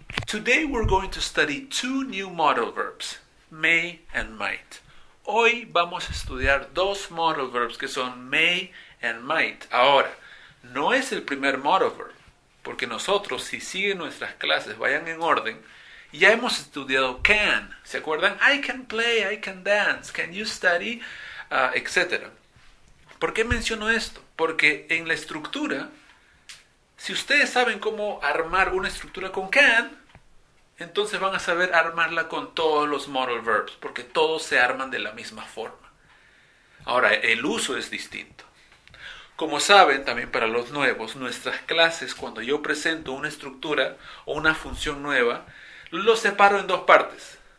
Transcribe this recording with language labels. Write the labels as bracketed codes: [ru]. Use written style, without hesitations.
[en] Today we're going to study two new modal verbs, may and might. [es] Hoy vamos a estudiar dos modal verbs que son may and might. Ahora, no es el primer modal verb, porque nosotros, si siguen nuestras clases, vayan en orden, ya hemos estudiado can. ¿Se acuerdan? [en] I can play, I can dance, can you study, etc. [es] ¿Por qué menciono esto? Porque en la estructura, si ustedes saben cómo armar una estructura con can, entonces van a saber armarla con todos los modal verbs, porque todos se arman de la misma forma. Ahora, el uso es distinto. Como saben, también para los nuevos, nuestras clases, cuando yo presento una estructura o una función nueva, lo separo en dos partes.